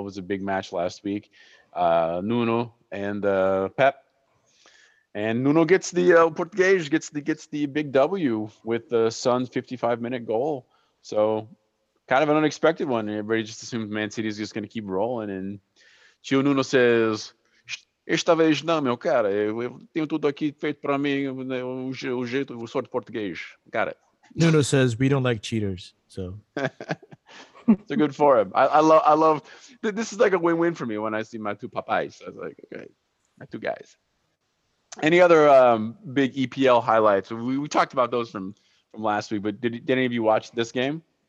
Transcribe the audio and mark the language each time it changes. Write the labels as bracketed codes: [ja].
[en] It was a big match last week. Nuno and Pep. And Nuno gets the Portuguese gets the big W with the Sun's 55-minute goal. So kind of an unexpected one. Everybody just assumes Man City is just going to keep rolling. And Tio Nuno says, [pt] esta vez não, meu cara. Eu tenho tudo aqui feito para mim, o jeito, o sorte português. [en] Got it. Nuno says, we don't like cheaters. So it's a good for him. I love this is like a win-win for me when I see my two papais. I was like, okay, my two guys. Any other big EPL highlights? We talked about those from last week, but did any of you watch this game?